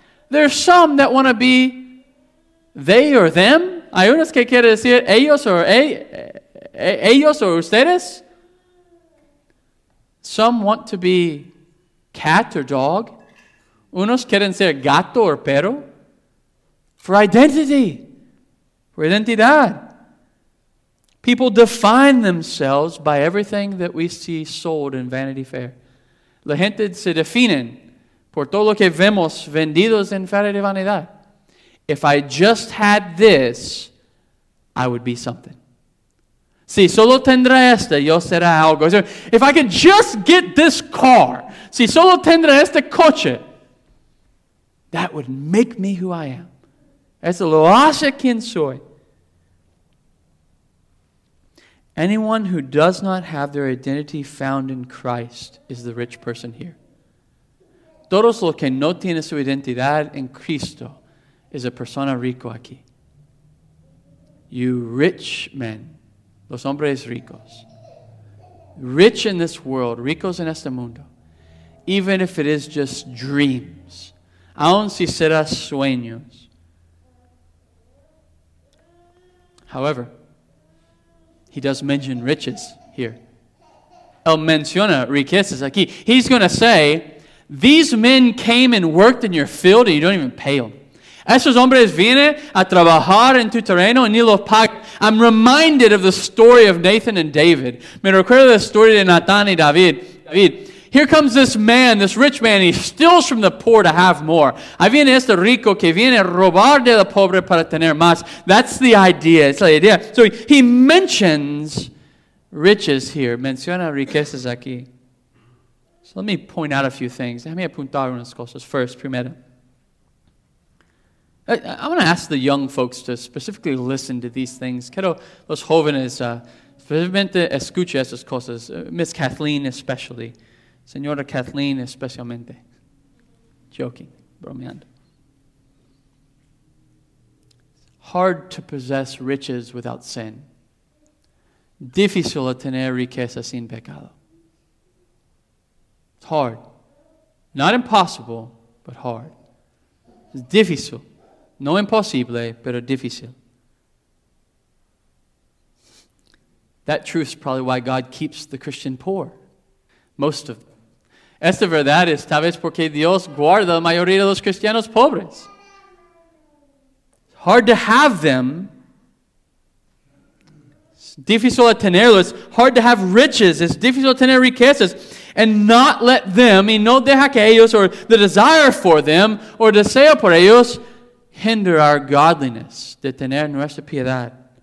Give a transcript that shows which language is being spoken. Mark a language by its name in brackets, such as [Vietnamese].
[English] There's some that want to be they or them. [Spanish] Hay unos que quieren decir ellos or ellos or ustedes. [English] Some want to be cat or dog. [Spanish] Unos quieren ser gato or perro. [English] For identity. For identidad. People define themselves by everything that we see sold in Vanity Fair. [Spanish] La gente se definen por todo lo que vemos vendidos en Feria de Vanidad. [English] If I just had this, I would be something. [Spanish] Si solo tendrá esta, yo será algo. [English] So if I could just get this car, [Spanish] si solo tendrá este coche, [English] that would make me who I am. [Spanish] Eso lo hace quien soy. [English] Anyone who does not have their identity found in Christ is the rich person here. [Spanish] Todos los que no tienen su identidad en Cristo es la persona rico aquí. [English] You rich men, [Spanish] los hombres ricos. [English] Rich in this world, [Spanish] ricos en este mundo. [English] Even if it is just dreams. [Spanish] Aun si será sueños. [English] However, he does mention riches here. [Spanish] Él menciona riquezas aquí. [English] He's going to say, these men came and worked in your field and you don't even pay them. [Spanish] Esos hombres vienen a trabajar en tu terreno y ni los pagan. [English] I'm reminded of the story of Nathan and David. [Spanish] Me recuerdo la historia de Nathan y David. [English] David, here comes this man, this rich man, he steals from the poor to have more. [Spanish] Ahí viene este rico que viene a robar de la pobre para tener más. [English] That's the idea. It's the idea. So he mentions riches here. [Spanish] Menciona riquezas aquí. [English] So let me point out a few things. [Spanish] Déjame apuntar unas cosas. [English] First, [Spanish] primero. [English] I want to ask the young folks to specifically listen to these things. [Spanish] Quiero los jóvenes Realmente escucha esas cosas. [English] Miss Kathleen especially. [Spanish] Señora Kathleen especialmente. [English] Joking, [Spanish] bromeando. [English] Hard to possess riches without sin. [Spanish] Difícil tener riqueza sin pecado. [English] It's hard. Not impossible, but hard. [Spanish] Es difícil. No imposible, pero difícil. [English] That truth is probably why God keeps the Christian poor. Most of them. [Spanish] Esta verdad es tal vez porque Dios guarda la mayoría de los cristianos pobres. [English] Hard to have them. It's [Spanish] difícil a tenerlos. [English] Hard to have riches. It's [Spanish] difícil tener riquezas. [English] And not let them, [Spanish] y no deja que ellos, [English] or the desire for them, or [Spanish] deseo por ellos, [English] hinder our godliness, [Spanish] de tener nuestra piedad.